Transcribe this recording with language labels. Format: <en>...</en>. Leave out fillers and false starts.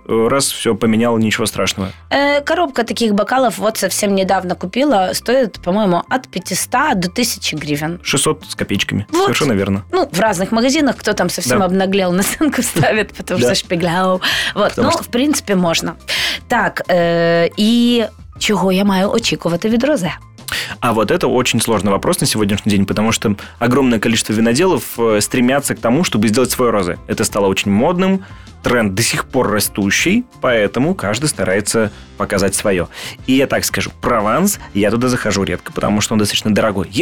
<ru>Раз, все поменял, ничего страшного. Коробка таких бокалов вот совсем недавно купила. Стоит, по-моему, от 500 до 1000 гривен. 600 с копеечками. Вот. Совершенно верно. Ну, в разных магазинах. Кто там совсем обнаглел, наценку ставит, потому что Шпигеляу. Вот. Ну, в принципе, можно.</ru> <uk>Так,</uk> <ru>и чего</ru> <uk>я маю очікувати від Розе?</uk> <ru>А вот это очень сложный вопрос на сегодняшний день, потому что огромное количество виноделов стремятся к тому, чтобы сделать свои розы. Это стало очень модным, тренд до сих пор растущий, поэтому каждый старается показать свое. И я так скажу, Прованс, я туда захожу редко, потому что он достаточно дорогой.</ru>